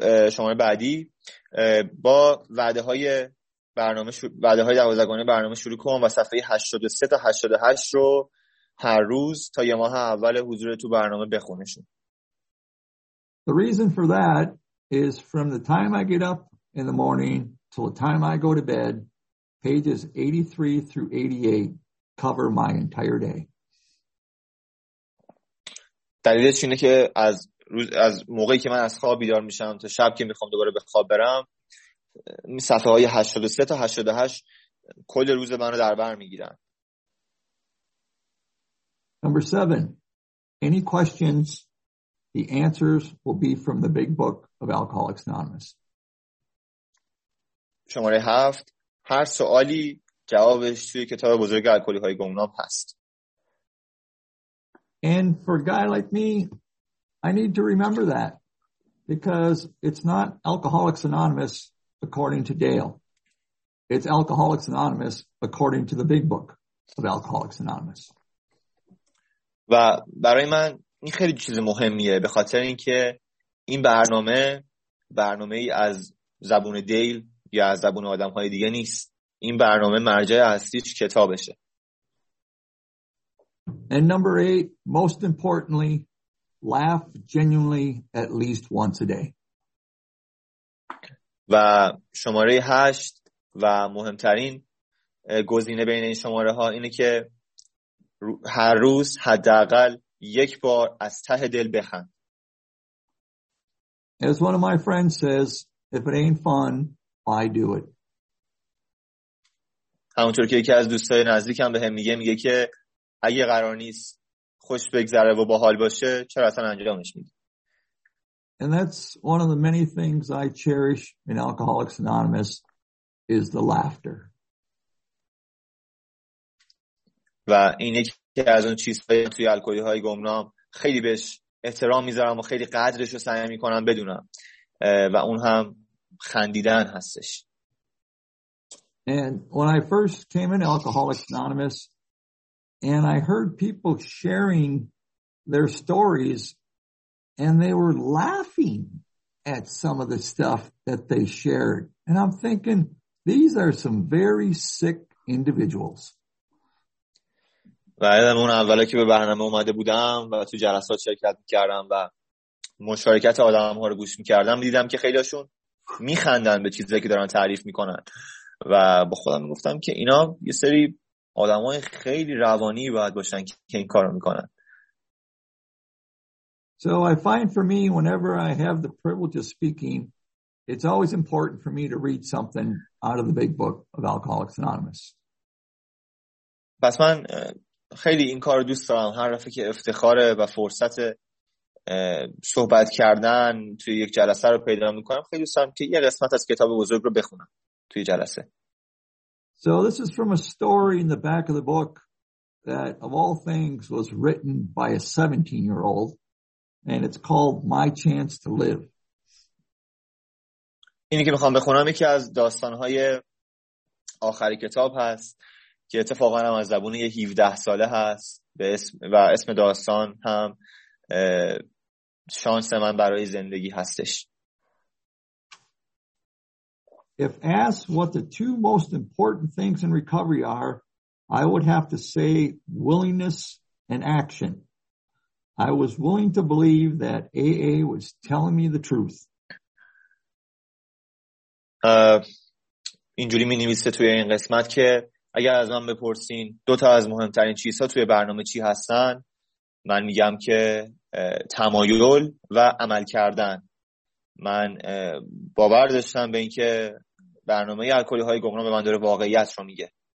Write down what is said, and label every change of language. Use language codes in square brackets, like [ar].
[fa] شماره بعدی، با وعده های 12 گانه برنامه شروع کن و صفحه 83 تا 88 رو هر روز تا یه ماه اول حضور تو برنامه بخونشون. [en] The reason for that is from the time I get up in the morning to the time I go to bed, pages 83 through 88 cover my entire day. [fa] دلیلش اینه که از موقعی که من از خواب بیدار میشم تا شب که میخوام دوباره به خواب برم، صفحه های 83 تا 88 کل روز من رو در بر میگیرن. [en] Number 7. Any questions? The answers will be from the big book of Alcoholics Anonymous. [fa] شماره 7. هر سوالی جوابش توی کتاب بزرگ الکلی های گمنام هست. [en] And for a guy like me, I need to remember that because it's not Alcoholics Anonymous according to Dale. It's Alcoholics Anonymous according to the big book of Alcoholics Anonymous. [fa] و برای من این خیلی چیز مهمیه به خاطر اینکه این برنامه برنامه‌ای از زبون دیل یا از زبون آدم‌های دیگه نیست. این برنامه مرجع اصلیش کتابشه. [en] And number 8, most importantly, laugh genuinely at least once a day. [fa] و شماره 8 و مهمترین گزینه بین این شماره ها اینه که هر روز حداقل یک بار از ته دل بخند. [en] As one of my friends says, if it ain't fun, I do it. [fa] همونطور که یکی از دوستای نزدیکم به هم میگه که اگه قرار نیست خوش بگذره و باحال باشه چرا اصلا انجامش میدی؟ [en] And that's one of the many things I cherish in Alcoholics Anonymous is the laughter. [fa] و این یکی از اون چیزهایی توی الکلی‌های گمنام خیلی بهش احترام میذارم و خیلی قدرش رو سعی میکنم بدونم و اون هم خندیدن هستش. [en] And when I first came in Alcoholics Anonymous and I heard people sharing their stories and they were laughing at some of the stuff that they shared. And I'm thinking, these are some very sick individuals. [fa] و یادم اون اولی که به برنامه اومده بودم و تو جلسات شرکت می‌کردم و مشارکت آدم‌ها رو گوش می‌کردم دیدم که خیلی‌هاشون می‌خندن به چیزایی که دارن تعریف می‌کنن و با خودم می‌گفتم که اینا یه سری آدم‌های خیلی روانی باید باشن که این کارو می‌کنن. [en] So I find for me whenever I have the privilege of speaking it's always important for me to read something out of the big book of Alcoholics Anonymous. [fa] پس من خیلی این کار دوست دارم هر رفعه که افتخاره و فرصت صحبت کردن توی یک جلسه رو پیدا میکنم خیلی دوست دارم که یه قسمت از کتاب بزرگ رو بخونم توی جلسه. [en] So this is from a story in the back of the book that of all things was written by a 17-year-old and it's called My Chance to Live. [fa] اینی که میخوام بخونم یکی از داستانهای آخر کتاب هست که اتفاقا هم از زبون یه 17 ساله هست به اسم و اسم داستان هم شانس من برای زندگی هستش. [en] If asked what the two most important things in recovery are, I would have to say willingness and action. I was willing to believe that AA was telling me the truth. [fa] اینجوری می نویسه توی این قسمت که اگر از من بپرسین دو تا از مهمترین چیزها توی برنامه چی هستن من میگم که تمایل و عمل کردن. من باور داشتم به اینکه برنامه الکلی‌های گمنام به من داره واقعیت رو میگه.